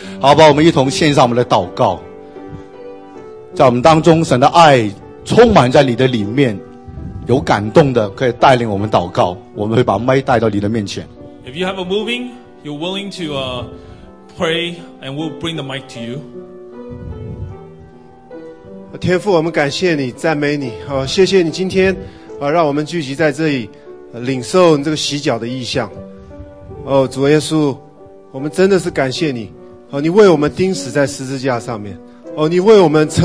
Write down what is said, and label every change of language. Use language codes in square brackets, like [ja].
[zh] 好吧，我们一同献上我们的祷告，在我们当中，神的爱充满在你的里面，有感动的可以带领我们祷告，我们会把麦带到你的面前。 [en] If you have a moving, you're willing to pray, and we'll bring the mic to you. [zh] 天父，我们感谢你，赞美你，谢谢你今天让我们聚集在这里，领受你这个洗脚的意象。哦，主耶稣，我们真的是感谢你。你为我们钉死在十字架上面，你为我们成。